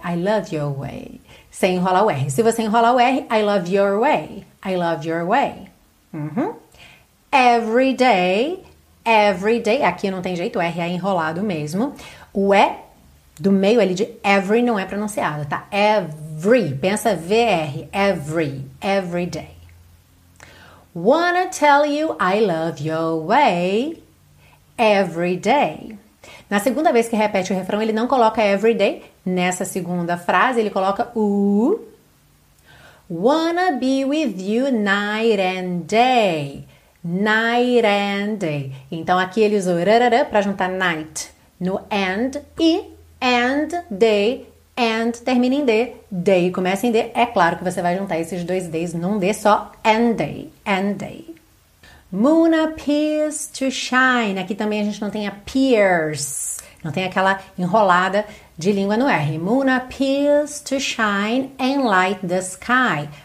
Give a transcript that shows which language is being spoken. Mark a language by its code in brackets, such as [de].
[en] I love your way. [pt] Sem enrolar o R. Se você enrolar o R, I love your way. [en] I love your way. Uhum. Every day... Every day, [pt] aqui não tem jeito, o R é enrolado mesmo. O E Do meio ali de every não é pronunciado, tá? [en] Every, pensa VR, every, every day. Wanna tell you I love your way, every day. [pt] Na segunda vez que repete o refrão, ele não coloca every day. Nessa segunda frase, ele coloca o. [en] Wanna be with you night and day, night and day. [pt] Então, aqui ele usou rarara para juntar night no and e and day, and termina em D, day começa em D. É claro que você vai juntar esses dois Ds num D só, [en] and day, and day. Moon appears to shine. [pt] Aqui também a gente não tem appears, não tem aquela enrolada de língua no R. [en] Moon appears to shine and light the sky.